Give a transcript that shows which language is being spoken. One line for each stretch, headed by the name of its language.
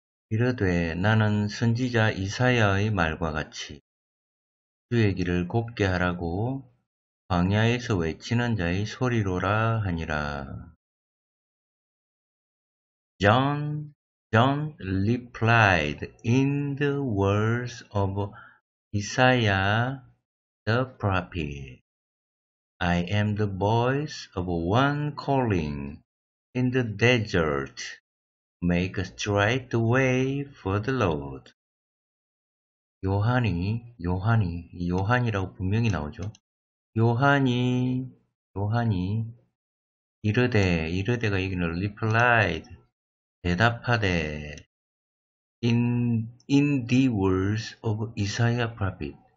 Korean: 이르되 나는 선지자 이사야의 말과 같이 주의 길을 곱게 하라고 광야에서 외치는 자의 소리로라 하니라.
English: John replied in the words of Isaiah the prophet. I am the voice of one calling in the desert. Make a straight way for the Lord.
Korean: 요한이라고 분명히 나오죠. 요한이 이르되가 여기는
English: replied
Korean: 대답하되
English: in the words of Isaiah prophet